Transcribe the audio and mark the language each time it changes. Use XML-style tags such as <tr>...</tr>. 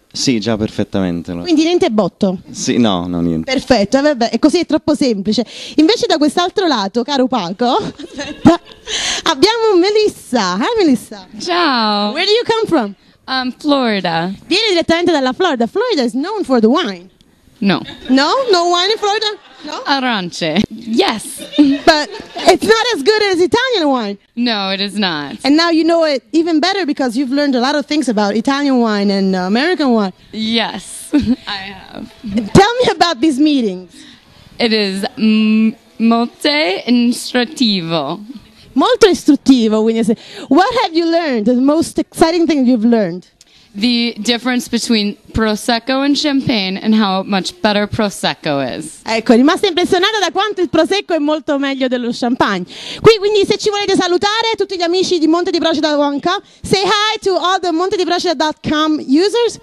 <it>Sì, già perfettamente. Quindi niente botto? Sì, no, niente. Perfetto, vabbè, e così è troppo semplice. Invece da quest'altro lato, caro Paco, aspetta, abbiamo Melissa.</it> <en>Hi, Melissa.</en> <it>Ciao.</it> <en>Where do you come from? Florida.</en> <it>Vieni direttamente dalla Florida.</it> <en>Florida is known for the wine. No. No? No wine in Florida? No?</en> <it>Arance. Yes.</it> <en>But it's not as good as Italian wine. No, it is not. And now you know it even better because you've learned a lot of things about Italian wine and American wine. Yes, I have. Tell me about these meetings. It is molto instruttivo. Molto istruttivo, when you say. What have you learned? The most exciting thing you've learned? The difference between Prosecco and Champagne and how much better Prosecco is.</en> <it>Ecco, rimasta impressionata da quanto il Prosecco è molto meglio dello Champagne. Qui, quindi, se ci volete salutare, tutti gli amici di Monte di Procida Wonka, say hi to all the MonteDiProcida.com users.</it>